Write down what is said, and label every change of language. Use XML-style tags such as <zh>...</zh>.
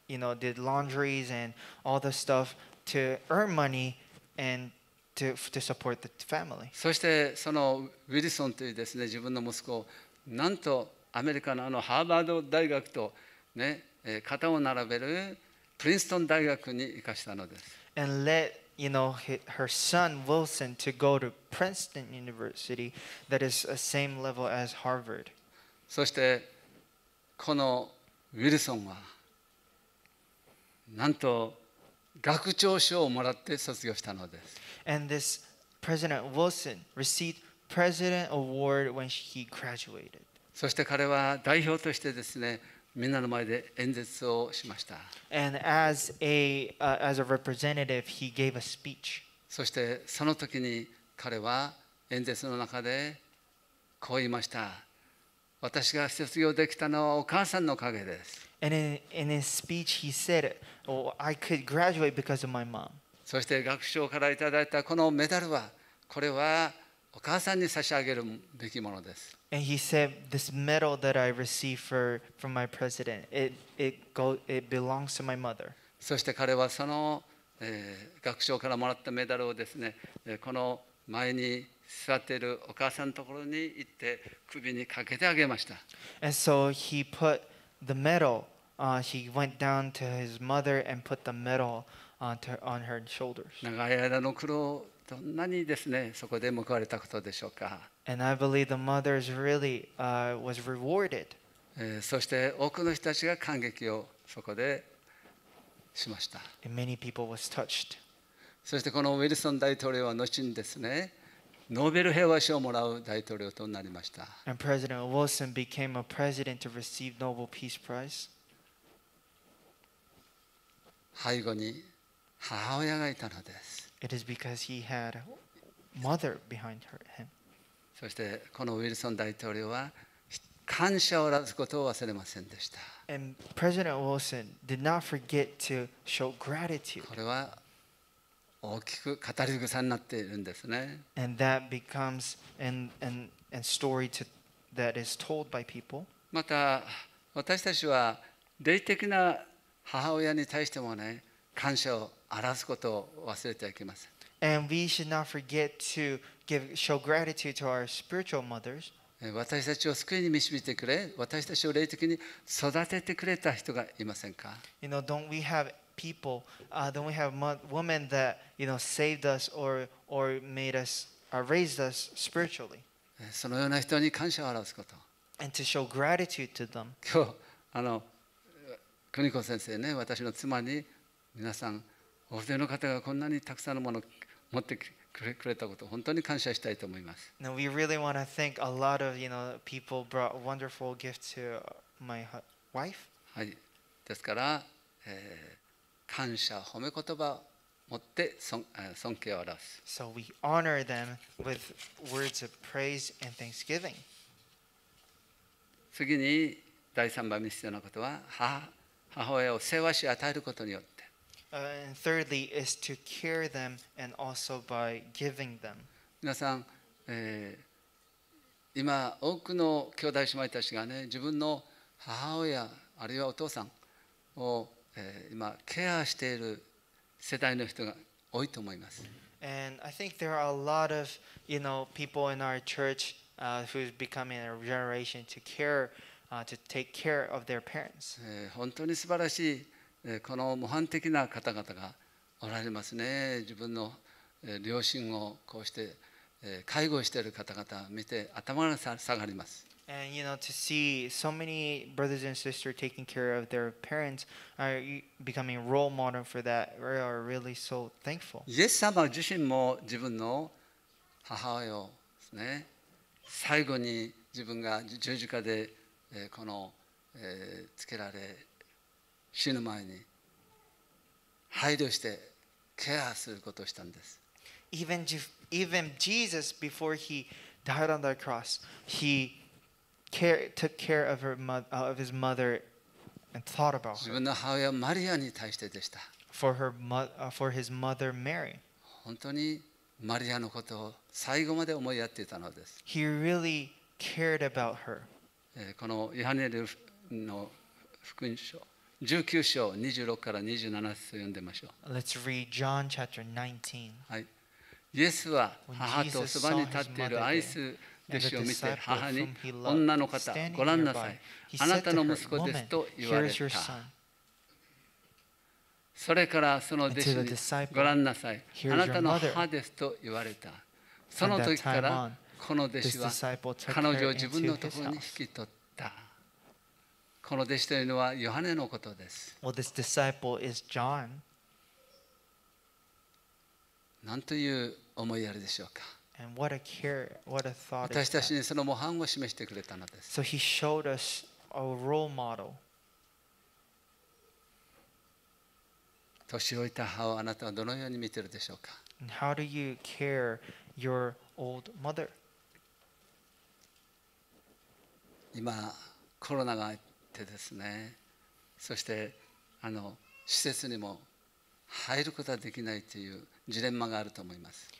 <en>You know, did laundries and all the stuff to earn money and to support the family.</en> <ja>そしてそのウィルソンというですね、自分の息子をなんとアメリカのあのハーバード大学とね、肩を並べるプリンストン大学に行かしたのです。</ja> <en>And let you know her son Wilson to go to Princeton University, that is the same level as Harvard.</en> <ja>そしてこのウィルソンは。なんと学長賞をもらって卒業したのです。</ja> <en>And this President Wilson received President Award when he graduated.</en> <ja>そして彼は代表としてですね、みんなの前で演説をしました。</ja> <en>And as a representative, he gave a speech.</en> <ja>そしてその時に彼は演説の中でこう言いました。私が卒業できたのはお母さんのおかげです。</ja> <en>And in his speech, he said, "Oh, I could graduate because of my mom."</en> <ja>そして学長からいただいたこのメダルは、これはお母さんに差し上げるべきものです。</ja> <en>And he said, "This medal that I received from my president, it belongs to my mother."</en> <ja>そして彼はその、学長からもらったメダルをですね、この前に座っているお母さんのところに行って首にかけてあげました。</ja> <en>And so he put the medal. He went down to his mother and put the medal on her shoulders.</en> <ja>長い間の苦労どんなにですね、そこで報われたことでしょうか。</ja> <en>And I believe the mothers really, was rewarded.</en> <ja>そして多くの人たちが感激をそこでしました。</ja> <en>And many people was touched.</en> <ja>そしてこのウィルソン大統領は後にですね、ノーベル平和賞をもらう大統領となりました。</ja> <en>And President Wilson became a president to receive Nobel Peace Prize.</en> <ja>背後に母親がいたのです。</ja> <en>It is because he had mother behind him.</en> <ja>そしてこのウィルソン大統領は感謝を表すことを忘れませんでした。</ja> <en>And President Wilson did not forget to show gratitude.</en> <ja>これは大きく語り草になっているんですね。</ja> <en>And that becomes an story to, that is told by people.</en> <ja>また私たちは霊的な母親に対してもね、感謝を表すことを忘れてはいけません。</ja> <en>And we should not forget to give, show gratitude to our spiritual mothers.</en> <ja>私たちを救いに導いてくれ、私たちを霊的に育ててくれた人がいませんか。</ja> <en>You know, don't we have people? Don't we have women that you know saved us or made us, raised us spiritually?</en> <ja>そのような人に感謝を表すこと。</ja> <en>And to show gratitude to them.</en> <ja>今日邦子先生ね、私の妻に皆さん、お二人の方がこんなにたくさんのものを持ってくれたこと、本当に感謝したいと思います。</ja> <en>Now we really want to thank a lot of, you know, people brought wonderful gifts to my wife.</en> <ja>はい。ですから、感謝、褒め言葉を持って尊敬を表す。</ja> <en>So we honor them with words of praise and thanksgiving.</en> <ja>次に、第3番目に必要なことは、母親を世話し与えることによって。</ja> <en>And thirdly is to care them and also by giving them.</en> <ja>皆さん、今多くの兄弟姉妹たちがね、自分の母親あるいはお父さんを、今ケアしている世代の人が多いと思います。</ja> <en>And I think there are a lot of, you know, people in our church, who's becoming a generation to care. To take care of their parents.</en> <ja>本当に素晴らしい、この模範的な方々がおられますね。自分の、両親をこうして、介護している方々を見て頭が下がります。</ja> <en>And you know, to see so many brothers and sisters taking care of their parents are becoming role model for that. We are really so thankful.</en> <ja>イエス様自身も自分の母親をですね、最後に自分が十字架でこの、つけられ死ぬ前に配慮してケアすることをしたんです。</ja> <en>Even Jesus before he died on the cross, he care, took care of, her mother, of his mother and thought about her.</en> <ja>自分の母親マリアに対してでした。</ja> <en>For his mother Mary.</en> <ja>本当にマリアのことを最後まで思いやっていたのです。</ja> <en>He really cared about her.</en> <ja>このヨハネの福音書19章26から27節を読んでみましょう。</ja> <en>Let's read John chapter 19.</en> <ja>はい。イエスは母とそばに立っている愛す弟子を見て母に、女の方、ご覧なさい。あなたの息子ですと言われた。それからその弟子に、ご覧なさい。あなたの母ですと言われた。その時から、この弟子は彼女を自分のところに引き取った。この弟子というのはヨハネのことです。</ja> <en>Well, this disciple is John.</en> <ja>なんという思いやりでしょうか。</ja> <en>And what a care, what a thought is that?</en> <ja>私たちにその模範を示してくれたのです。</ja> <en>So he showed us a role model.</en> <ja>年老いた母をあなたはどのように見ているでしょうか。</ja> <en>And how do you care your old mother?</en> <ja>今コロナがあってですね、そして施設にも入ることはできないというジレンマがあると思います。</ja>